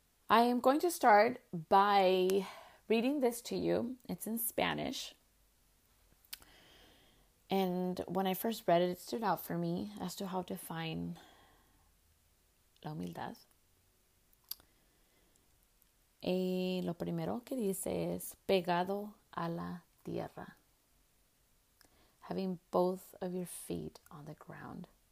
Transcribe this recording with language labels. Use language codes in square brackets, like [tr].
[en] I am going to start by reading this to you. It's in Spanish. And when I first read it, it stood out for me as to how to find [es] la humildad. Y lo primero que dice es pegado a la tierra. [en] Having both of your feet on the ground.